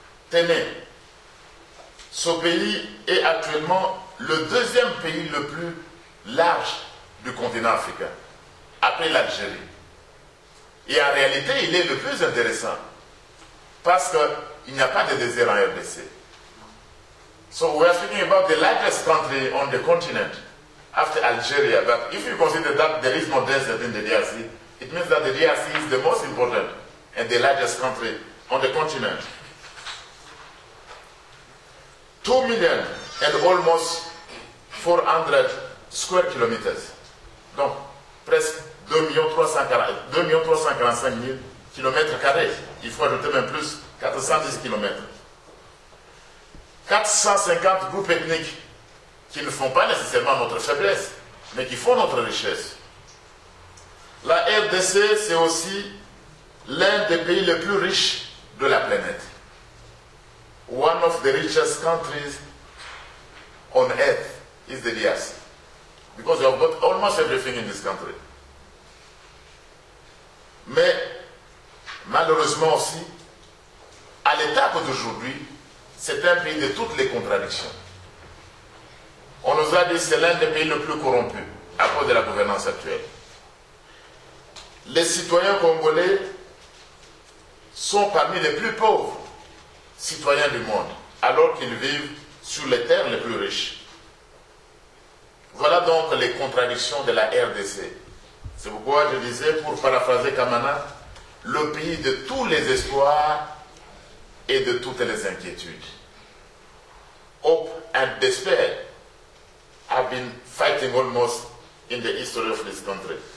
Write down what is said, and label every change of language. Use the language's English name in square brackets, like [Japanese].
[French] Tenez, ce pays est actuellement le deuxième pays le plus large du continent africain, après l'Algérie. Et en réalité, il est le plus intéressant, parce qu'il n'y a pas de désert en RDC. [English] So we are speaking about the largest country on the continent, after Algeria. But if you consider that there is no desert in the DRC, it means that the DRC is the most important and the largest country on the continent. 2 million and almost 400 square kilometers. [French] Donc, presque 2 345 000 kilomètres carrés. Il faut ajouter même plus 410 kilomètres. 450 groupes ethniques qui ne font pas nécessairement notre faiblesse, mais qui font notre richesse. La RDC, c'est aussi l'un des pays les plus riches de la planète. [English] One of the richest countries on earth is the DRC. Because you have got almost everything in this country. [French] Mais, malheureusement aussi, à l'étape d'aujourd'hui, c'est un pays de toutes les contradictions. nous a dit que c'est l'un des pays les plus corrompus à cause de la gouvernance actuelle. Les citoyens congolais sont parmi les plus pauvres citoyens du monde, alors qu'ils vivent sur les terres les plus riches. Voilà donc les contradictions de la RDC. C'est pourquoi je disais, pour paraphraser Kamana, le pays de tous les espoirs et de toutes les inquiétudes. [English] Hope and despair have been fighting almost in the history of this country.